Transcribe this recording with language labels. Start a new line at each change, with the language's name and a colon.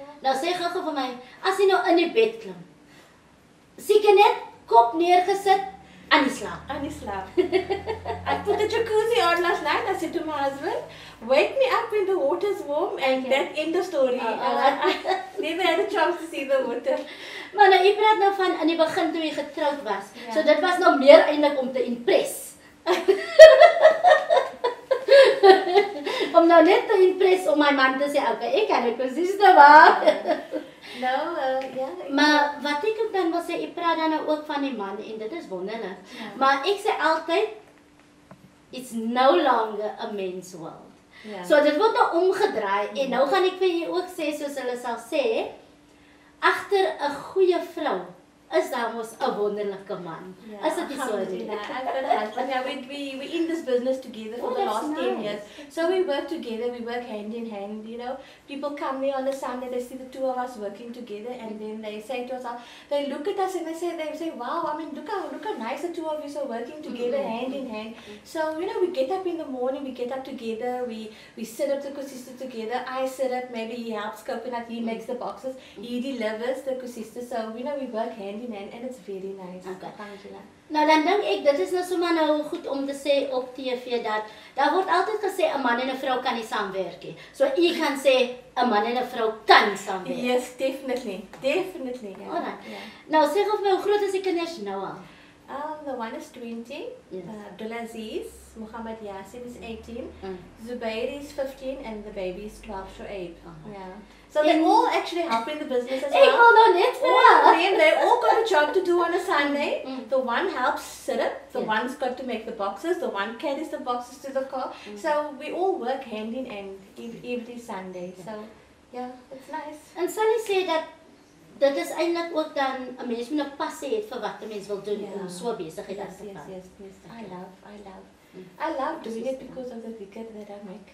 Afrikaans: Nou sê gou vir my, as jy nou in die bed klim, sê jy net kop neergesit, Anislav.
English: I put the jacuzzi on last night. I said to my husband, wake me up when the water's warm. And that end the story. Never had a chance to see the water.
Afrikaans: Maar nou, jy praat nou van in die begin toe jy getroud was. Yeah. So dit was nou meer eintlik om te impress. Om nou net te impress om my man te sê, okay, ek kan dit presies te maak. Nou, ja. Maar wat ek ook dan wil sê, ek praat dan ook van die man en dit is wonderlik. Ja. Maar ek sê altyd,
English: it's no longer a man's world.
Afrikaans: Ja. So dit word nou omgedraai en nou gaan ek vir jy ook sê, soos hulle sal sê, agter 'n goeie vrou is daar mos 'n wonderlike man. Ja. Is dit nie so nie?
English: We in this business together for the last 10 years. So we work together, we work hand in hand, you know. People come here on a Sunday, they see the two of us working together, and then they say to us, they look at us and they say, wow, I mean, look how nice the two of us are working together, mm-hmm. hand in hand. Mm-hmm. So, you know, we get up in the morning, we get up together, we sit up the kusiste together, I sit up, maybe he helps coconut, he makes the boxes, he delivers the kusiste. So, you know, we work hand in hand, and it's very nice. Okay. Thank you.
Afrikaans: Nou dan dink ek, dit is nou sommer nou goed om te sê op TV dat daar word altyd gesê, 'n man en 'n vrou kan nie saamwerk nie. So jy kan sê, 'n man en 'n vrou kan saamwerk.
English: Yes, definitely, ja.
Afrikaans: Yeah. Yeah. Nou sê gou vir my, hoe groot is die kinders nou al?
English: The one is 20, yes. Abdulaziz, Mohamed Yasin is 18, Zubair is 15 and the baby is 12 to 8. So they all actually help in the business as well.
Afrikaans: Ek hou nou net vir hulle.
English: They all got a job to do on a Sunday. Mm. The one helps set up, the one's got to make the boxes, the one carries the boxes to the car. Mm. So we all work hand in hand every Sunday. Yeah. So yeah, it's nice. And Sally say that
Afrikaans: dit is eintlik ook dan 'n mens moet 'n passie hê vir wat 'n mens wil doen om so besigheid as te
English: kan. Yes. I love. I love doing it because of the vicar that I make.